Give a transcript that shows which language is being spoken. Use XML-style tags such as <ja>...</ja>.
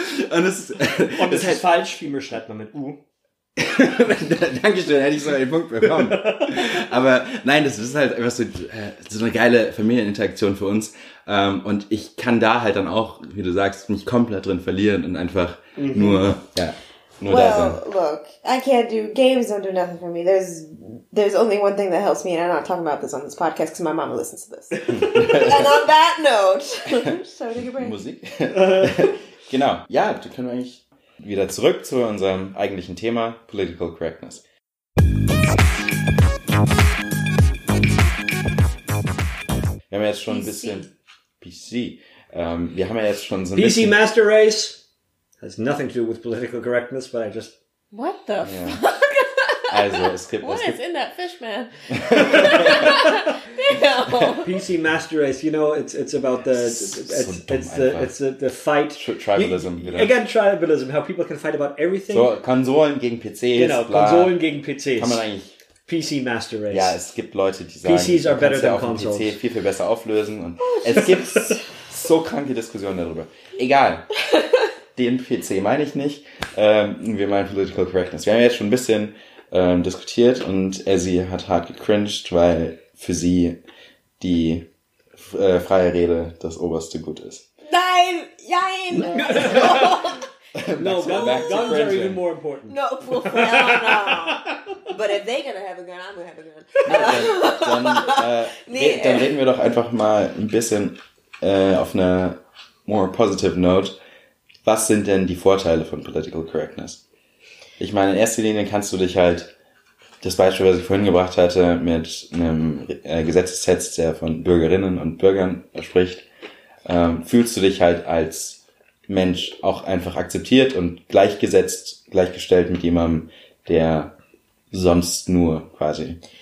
<de>Und es ist falsch, Fimo schreibt man mit U. Dankeschön, hätte ich sogar den Punkt bekommen. Aber nein, das ist halt einfach so eine geile Familieninteraktion für uns. Und ich kann da halt dann auch, wie du sagst, mich komplett drin verlieren und einfach nur da sein.</de> <en>Well, look, I can't do, games don't do nothing for me. There's only one thing that helps me, and I'm not talking about this on this podcast, because my mama listens to this. And on that note, sorry to get break.</en> <de>Musik? Genau, ja, da können wir eigentlich wieder zurück zu unserem eigentlichen Thema, Political Correctness. Wir haben jetzt schon ein bisschen... PC. Wir haben ja jetzt schon so ein PC bisschen...</de> <en>PC Master Race has nothing to do with Political Correctness, but I just... What the fuck?</en> <de>Also, es gibt...</de> <en>What</en> <de>es gibt,</de> <en>is in that fish, man? PC Master Race, you know, it's about the it's the fight tribalism. Again, tribalism, how people can fight about everything.</en> <de>So Konsolen gegen PCs. Konsolen gegen PCs. Kann man eigentlich PC Master Race. Ja, es gibt Leute, die sagen,</de> <en>PCs are better than consoles.</en> <de>PC viel besser auflösen und es gibt so kranke Diskussionen darüber. Egal. Den PC meine ich nicht. Wir meinen Political Correctness. Wir haben jetzt schon ein bisschen diskutiert und Ezzy hat hart gecringed, weil für sie die freie Rede das oberste Gut ist. Nein! Jein!</de> <en>No, guns are even more important. No, but if they're gonna have a gun, I'm gonna have a gun.</en> <de>Dann reden wir doch einfach mal ein bisschen auf einer</de> <en>more positive note.</en> <de>Was sind denn die Vorteile von Political Correctness? Ich meine, in erster Linie kannst du dich halt das Beispiel, was ich vorhin gebracht hatte, mit einem Gesetzessatz, der von Bürgerinnen und Bürgern spricht, fühlst du dich halt als Mensch auch einfach akzeptiert und gleichgesetzt, gleichgestellt mit jemandem, der sonst nur quasi</de>